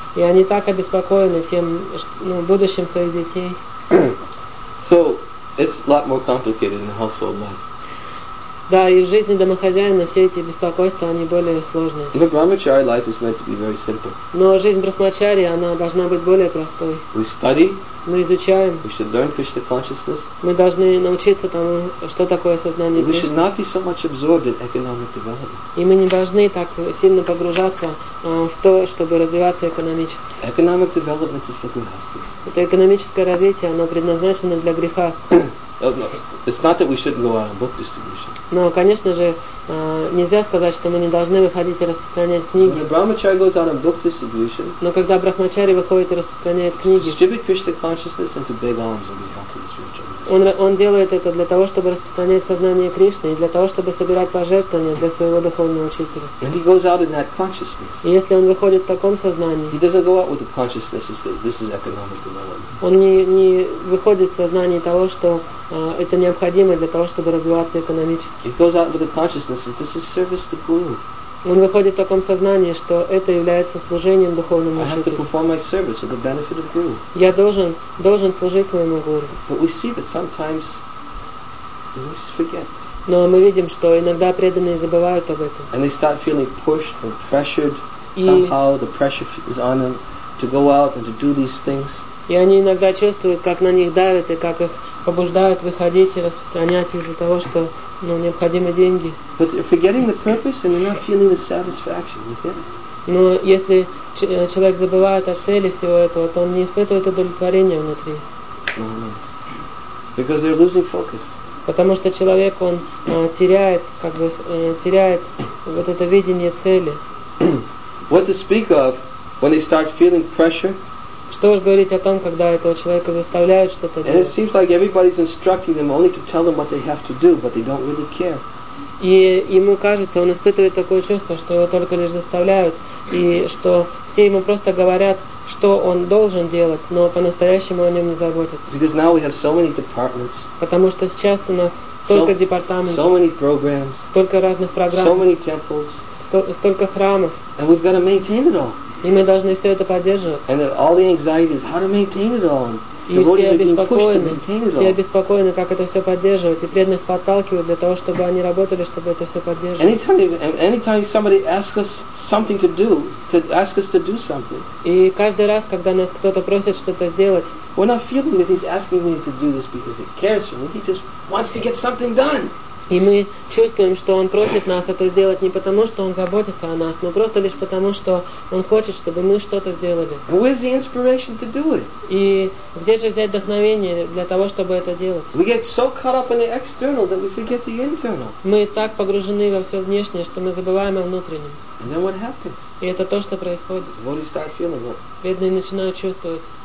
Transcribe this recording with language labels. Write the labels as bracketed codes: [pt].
[ru] И они так обеспокоены тем, будущим своих детей. [en] So, it's a lot more complicated in the household life. [ru] Да, и в жизни домохозяина все эти беспокойства, они более сложные. [en] But Brahmachari life is meant to be very simple. [ru] Но жизнь брахмачари, она должна быть более простой. [en] We study. [ru] Мы изучаем. [en] We should learn Krishna consciousness. [ru] Мы должны научиться тому, что такое сознание [en] Кришны. We should not be so much absorbed in economic development. [ru] И мы не должны так сильно погружаться в то, чтобы развиваться экономически. [en] Economic development is for grihasthas. [ru] Это экономическое развитие, оно предназначено для грехастов. [en] It's not that we shouldn't go out on book distribution. [ru] Но, конечно же, нельзя сказать, что мы не должны выходить и распространять книги. [en] When a brahmachari goes out on book distribution, [ru] но когда брахмачари выходит и распространяет книги, [en] to distribute Krishna consciousness and to beg alms on behalf of the spiritual beings. [ru] Он делает это для того, чтобы распространять сознание Кришны и для того, чтобы собирать пожертвования для своего духовного учителя. [en] And he goes out in that consciousness. [ru] И если он выходит в таком сознании, [en] he doesn't go out with the consciousness that this is economic development. [ru] Он не выходит в сознании того, что это необходимо для того, чтобы развиваться экономически. [en] He goes out with the consciousness that this is service to Guru. [ru] Он выходит в таком сознании, что это является служением духовному [en] учителю. I have to perform my service for the benefit of Guru. [ru] Я должен служить моему Гуру. [en] But we see that sometimes we just forget. [ru] Но мы видим, что иногда преданные забывают об этом. [en] And they start feeling pushed or pressured. Somehow the pressure is on them to go out and to do these things. [ru] И они иногда чувствуют, как на них давят и как их побуждают выходить и распространять из-за того, что необходимы деньги. [en] But you're forgetting the purpose and you're not feeling the satisfaction, is it? [ru] Но если человек забывает о цели всего этого, то он не испытывает удовлетворения внутри. [en] Because they're losing focus. [ru] Потому что человек, он теряет, как бы теряет вот это видение цели. [en] What to speak of when they start feeling pressure? [ru] Что уж говорить о том, когда этого человека заставляют что-то делать. [en] And it seems like everybody's instructing them only to tell them what they have to do, but they don't really care. [ru] И ему кажется, он испытывает такое чувство, что его только лишь заставляют, и что все ему просто говорят, что он должен делать, но по-настоящему о нем не заботятся. [en] Because now we have so many departments. [ru] Потому что сейчас у нас столько департаментов. [en] So many programs. [ru] Столько разных программ. [en] So many temples. [ru] Столько храмов. [en] And we've got to maintain it all. [ru] И мы должны все это поддерживать. [en] And all the anxiety is how to maintain it all. [ru] И все обеспокоены, как это все поддерживать, и преданных подталкивают для того, чтобы они работали, чтобы это все поддерживать. [en] Anytime somebody asks us something to do, to ask us to do something. [ru] И каждый раз, когда нас кто-то просит что-то сделать, [en] we're not feeling that he's asking me to do this because he cares for me. He just wants to get something done. [ru] И мы чувствуем, что он просит нас это сделать не потому, что он заботится о нас, но просто лишь потому, что он хочет, чтобы мы что-то сделали. [en] Where's the inspiration to do it? [ru] И где же взять вдохновение для того, чтобы это делать? [en] We get so caught up in the external that we forget the internal. [ru] Мы так погружены во все внешнее, что мы забываем о внутреннем. [en] And then what happens? [ru] И это то, что происходит. [en] What do you start feeling like? [ru] Бедные начинают чувствовать.